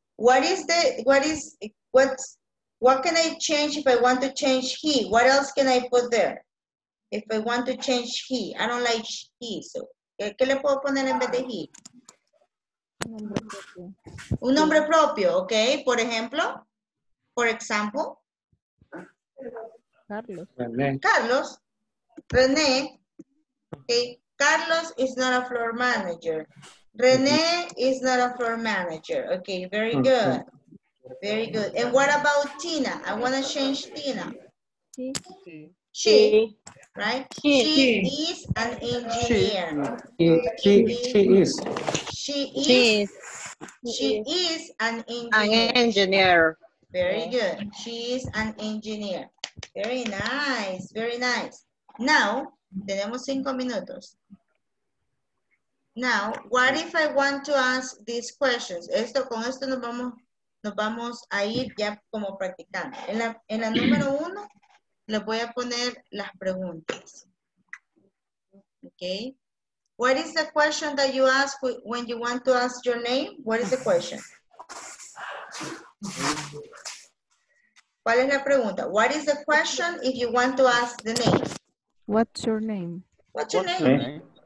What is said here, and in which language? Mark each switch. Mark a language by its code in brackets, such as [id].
[en] What can I change if I want to change he? What else can I put there? If I want to change he, I don't like he. [es] So, ¿qué le puedo poner en vez de he? Un nombre propio, okay? Por ejemplo, Carlos. [en] René. Okay. Carlos is not a floor manager. René is not a floor manager. Okay. Very good. Very good. And what about Tina? I want to change Tina. She is an engineer. Very good. She is an engineer. Very nice. Very nice. [es] Now, tenemos 5 minutos. [en] Now, what if I want to ask these questions? [es] Esto con esto nos vamos a ir ya como practicando. En la número uno, les voy a poner las preguntas. [en] Okay. What is the question that you ask when you want to ask your name? What is the question? [es] ¿Cuál es la pregunta? [en] What is the question if you want to ask the name? What's your name? What's your name?